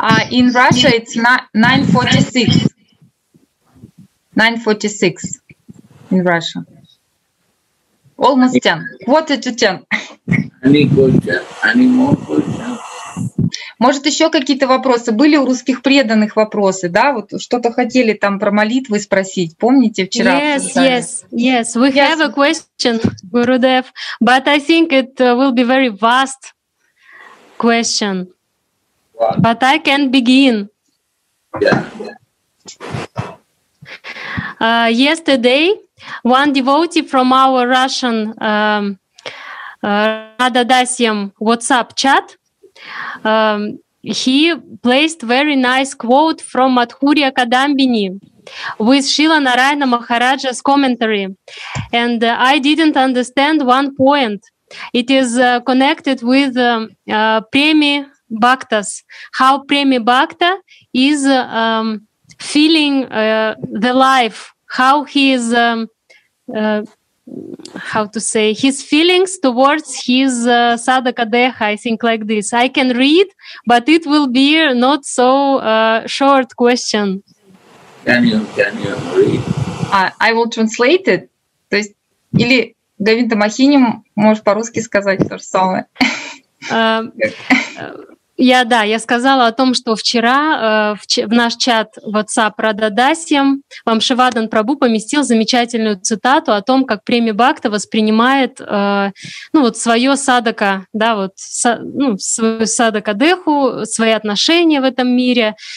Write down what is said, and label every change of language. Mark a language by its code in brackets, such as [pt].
[en] In Russia, it's 9:46. 9:46 in Russia. Almost 10. Quarter to 10. Any question? Any more questions? [ru] Может, еще какие-то вопросы? Были у русских преданных вопросы, да? Вот что-то хотели там про молитвы спросить. Помните вчера? [en] Yes. We have a question, Gurudev. But I think it will be very vast question. What? But I can begin. Yesterday, one devotee from our Russian Radhadasyam WhatsApp chat, he placed very nice quote from Madhurya Kadambini with Srila Narayana Maharaja's commentary. And I didn't understand one point. It is connected with Premi Bhaktas, how Premi Bhakta is feeling the life, how he is, how to say, his feelings towards his sadhaka deha, I think like this. I can read, but it will be not so short question. Can you read? I will translate it. [ru] То есть, или Говинда Махини можешь по-русски сказать то же самое. Я, да, я сказала о том, что вчера в наш чат WhatsApp Радхадасьям Вамшивадан Прабу поместил замечательную цитату о том, как Преми Бхакта воспринимает ну, вот свое садака, да, вот, ну, свою садака деху, свои отношения в этом мире.